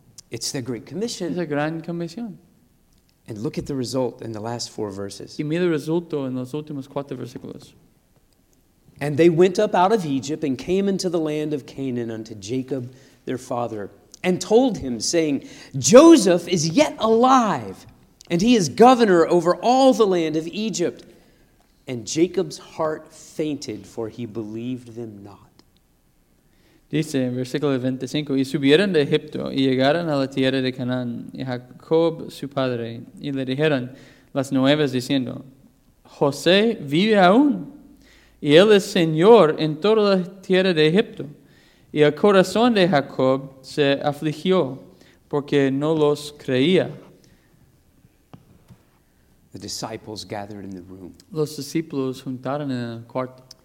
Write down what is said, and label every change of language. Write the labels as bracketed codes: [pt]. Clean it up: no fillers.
[en] It's the Great Commission. [es] Es la Gran Comisión. [en] And look at the result in the last four verses. [es] Y mira el resultado en los últimos cuatro versículos. [en] And they went up out of Egypt and came into the land of Canaan unto Jacob their father and told him, saying, Joseph is yet alive, and he is governor over all the land of Egypt. And Jacob's heart fainted, for he believed them not. [es] Dice en versículo 25, Y subieron de Egipto y llegaron a la tierra de Canaán, y Jacob su padre, y le dijeron las nuevas, diciendo, José vive aún. Y él es señor en toda la tierra de Egipto. Y el corazón de Jacob se afligió porque no los creía. [en] The disciples gathered in the room. [es] Los discípulos juntaron en el cuarto.